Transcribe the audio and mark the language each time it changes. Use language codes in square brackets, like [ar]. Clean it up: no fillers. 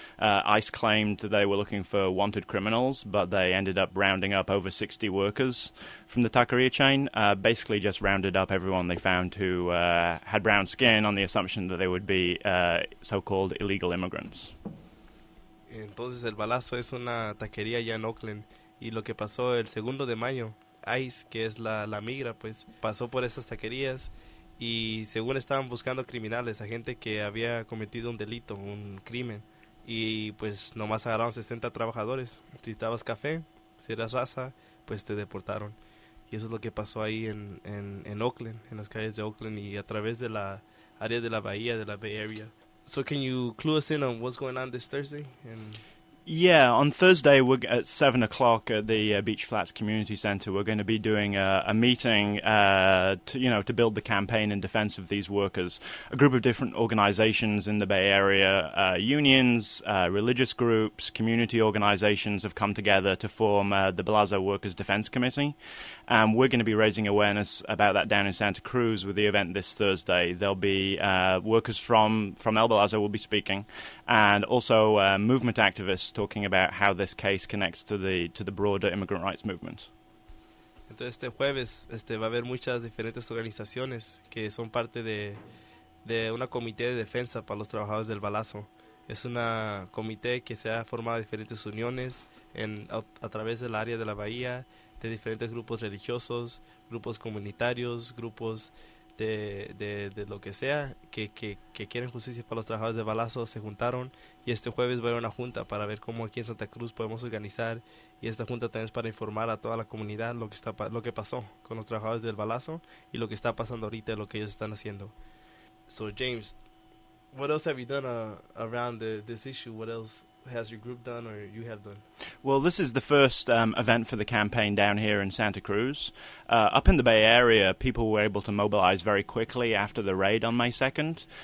[en] ICE claimed they were looking for wanted criminals, but they ended up rounding up over 60 workers from the taqueria chain, basically just rounded up everyone they found who had brown skin on the assumption that they would be so-called illegal immigrants. [es] Entonces, El Balazo es una taquería allá en Oakland, y lo que pasó el segundo de mayo... ICE, que es la migra, pues pasó por esas taquerías y según estaban buscando criminales, a gente que había cometido un delito, un crimen, y pues nomás agarraron 60 trabajadores. Si estabas café, si eras raza, pues te deportaron. Y eso es lo que pasó ahí en Oakland, en las calles de Oakland y a través de la área de la bahía, de la Bay Area. [en] So can you clue us in on what's going on this Thursday? Yeah, on Thursday we're at 7 o'clock at the Beach Flats Community Center. We're going to be doing a meeting to build the campaign in defense of these workers. A group of different organizations in the Bay Area, unions, religious groups, community organizations have come together to form the Balazo Workers Defense Committee. And we're going to be raising awareness about that down in Santa Cruz with the event this Thursday. There'll be workers from El Balazo will be speaking, and also movement activists talking about how this case connects to the broader immigrant rights movement. [es] Entonces este jueves va a haber muchas diferentes organizaciones que son parte de una comité de defensa para los trabajadores del Balazo. Es una comité que se ha formado diferentes uniones a través del área de la bahía, de diferentes grupos religiosos, grupos comunitarios, grupos de lo que sea, que quieren justicia para los trabajadores de Balazo, se juntaron, y este jueves va a haber una junta para ver cómo aquí en Santa Cruz podemos organizar, y esta junta también es para informar a toda la comunidad lo que pasó con los trabajadores del Balazo, y lo que está pasando ahorita, lo que ellos están haciendo. [en] So, James, what else have you done around this issue? What else has your group done or you have done? Well, this is the first event for the campaign down here in Santa Cruz. Up in the Bay Area, people were able to mobilize very quickly after the raid on May 2nd.